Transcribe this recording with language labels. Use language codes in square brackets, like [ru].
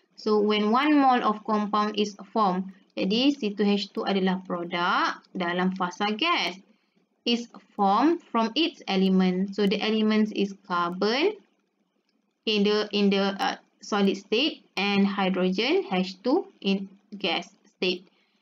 [en] So, when one mole of compound is formed. [id] Jadi, C2H2 adalah produk dalam fasa gas. [en] Is formed from its element. So, the element is carbon in the solid state and hydrogen H2 in gas state.